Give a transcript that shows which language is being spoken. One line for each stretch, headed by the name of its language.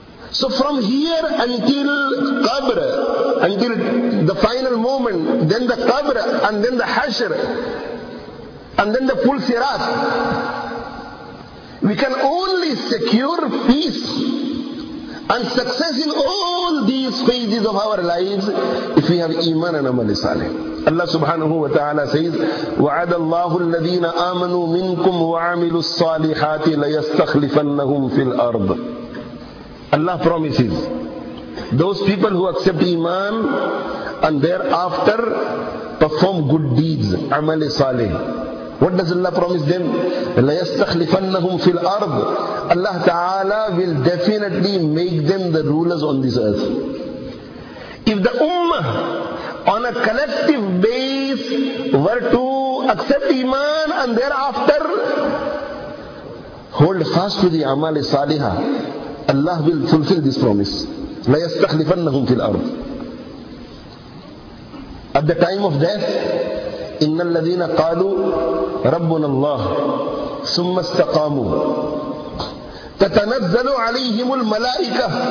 English: So from here until Qabr, until the final moment, then the Qabr, and then the Hashr, and then the full Sirat, we can only secure peace and success in all these phases of our lives if we have Iman and Amal Saleh. Allah subhanahu wa ta'ala says,
Arabic: وَعَدَ اللَّهُ الَّذِينَ آمَنُوا مِنْكُمْ وَعَمِلُوا الصَّالِحَاتِ لَيَسْتَخْلِفَنَّهُمْ فِي الْأَرْضِ.
English: Allah promises those people who accept Iman and thereafter perform good deeds, Amal Saleh. What does Allah promise them?
Arabic: لَيَسْتَخْلِفَنَّهُمْ فِي الْأَرْضِ.
English: Allah Ta'ala will definitely make them the rulers on this earth. If the Ummah on a collective base were to accept Iman and thereafter hold fast to the Amal Saliha, Allah will fulfill this promise.
Arabic: لَيَسْتَخْلِفَنَّهُمْ فِي الْأَرْضِ.
English: At the time of death,
Arabic: إن الذين قالوا ربنا الله ثم استقاموا تتنزل عليهم الملائكة.